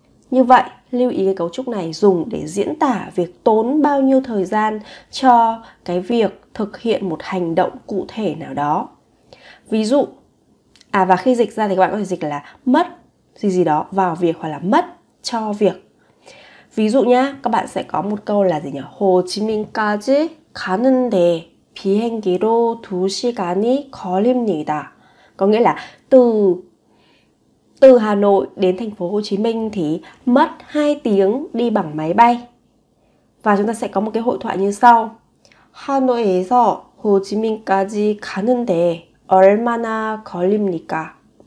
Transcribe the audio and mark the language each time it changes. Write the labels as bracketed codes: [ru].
[vi] Như vậy, lưu ý cái cấu trúc này dùng để diễn tả việc tốn bao nhiêu thời gian cho cái việc thực hiện một hành động cụ thể nào đó. Ví dụ, và khi dịch ra thì các bạn có thể dịch là mất gì gì đó vào việc hoặc là mất cho việc. Ví dụ nhá, các bạn sẽ có một câu là gì nhỉ? [ko] Hồ Chí Minh까지 가는데 비행기로 두 시간이 걸립니다. [vi] Có nghĩa là từ Hà Nội đến thành phố Hồ Chí Minh thì mất 2 tiếng đi bằng máy bay. Và chúng ta sẽ có một cái hội thoại như sau. [ko] Hà Nội에서 Hồ Chí Minh까지 가는데 얼마나 걸립니까?